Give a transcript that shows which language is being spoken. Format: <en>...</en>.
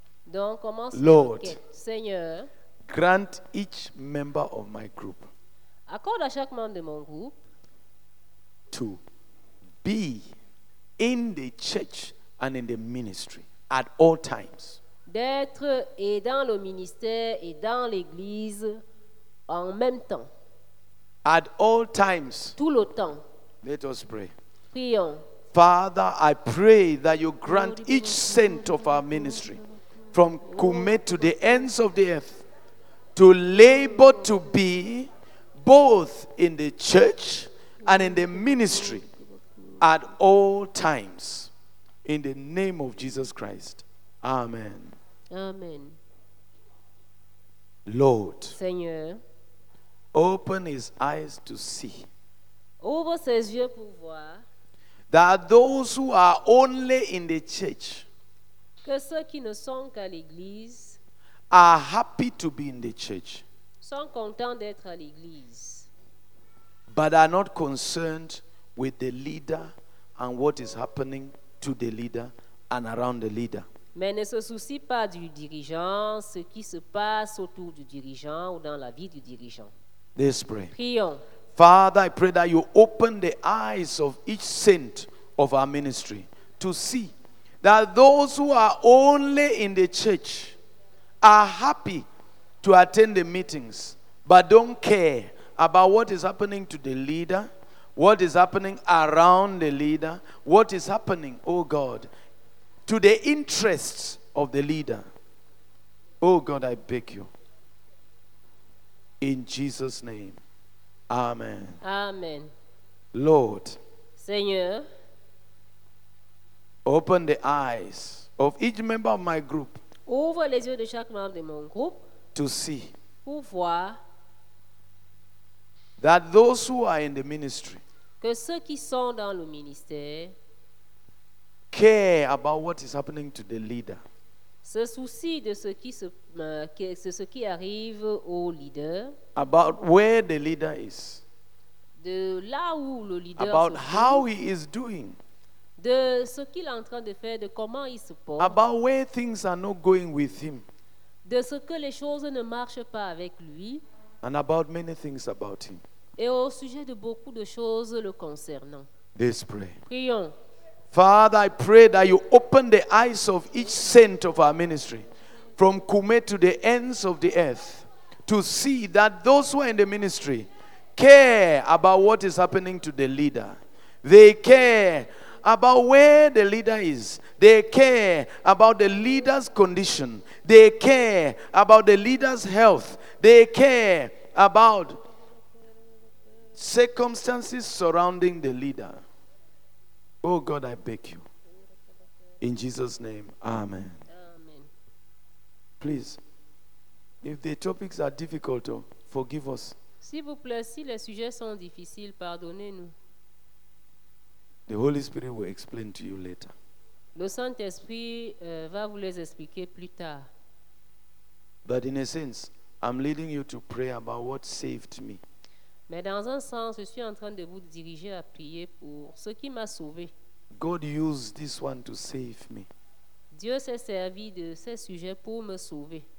<fr>Donc, commence</fr> <en>Lord,</en> <fr>Seigneur,</fr> <en>grant each member of my group,</en> <fr>accorde à chaque membre de mon groupe,</fr> <en>to be in the church and in the ministry at all times.</en> <fr>D'être et dans le ministère et dans l'église en même temps.</fr> <en>At all times.</en> <fr>Tout le temps.</fr> <en>Let us pray.</en> <fr>Prions.</fr> <en>Father, I pray that you grant each saint of our ministry from Kume to the ends of the earth to labor to be both in the church and in the ministry at all times. In the name of Jesus Christ. Amen. Amen. Lord,</en> <fr>Seigneur,</fr> <en>open his eyes to see.</en> <fr>Ouvre ses yeux pour voir.</fr> <en>That those who are only in the church,</en> <fr>que ceux qui ne sont qu'à l'église,</fr> <en>are happy to be in the church,</en> <fr>sont contents d'être à l'église,</fr> <en>but are not concerned with the leader and what is happening to the leader and around the leader.</en> <fr>Mais ne se soucie pas du dirigeant, ce qui se passe autour du dirigeant ou dans la vie du dirigeant.</fr> <en>Let's pray.</en> <fr>Prions.</fr> <en>Father, I pray that you open the eyes of each saint of our ministry to see that those who are only in the church are happy to attend the meetings, but don't care about what is happening to the leader, what is happening around the leader, what is happening, oh God, to the interests of the leader. Oh God, I beg you. In Jesus' name. Amen. Amen. Lord.</en> <fr>Seigneur.</fr> <en>Open the eyes of each member of my group.</en> <fr>Ouvre les yeux de chaque membre de mon groupe.</fr> <en>To see.</en> <fr>Pour voir.</fr> <en>That those who are in the ministry.</en> <fr>Que ceux qui sont dans le ministère.</fr> <en>Care about what is happening to the leader.</en> <fr>Se soucie de ce qui se ce qui arrive au leader.</fr> <en>About where the leader is.</en> <fr>De là où le leader.</fr> <en>About how he is doing.</en> <fr>De ce qu'il est en train de faire, de comment il se porte.</fr> <en>About where things are not going with him.</en> <fr>De ce que les choses ne marchent pas avec lui.</fr> <en>And about many things about him.</en> <fr>Et au sujet de beaucoup de choses le concernant.</fr> <en>Let's pray.</en> <fr>Prions.</fr> <en>Father, I pray that you open the eyes of each saint of our ministry from Kume to the ends of the earth to see that those who are in the ministry care about what is happening to the leader. They care about where the leader is. They care about the leader's condition. They care about the leader's health. They care about circumstances surrounding the leader. Oh God, I beg you. In Jesus' name, amen. Amen. Please, if the topics are difficult, forgive us.</en> <fr>S'il vous plaît, si les sujets sont difficiles, pardonnez-nous.</fr> <en>The Holy Spirit will explain to you later.</en> <fr>Le Saint-Esprit va vous les expliquer plus tard.</fr> <en>But in a sense, I'm leading you to pray about what saved me.</en> <fr>Mais dans un sens, je suis en train de vous diriger à prier pour ce qui m'a sauvé.</fr> <en>God used this one to save me.</en> <fr>Dieu s'est servi de ce sujet pour me sauver.</fr>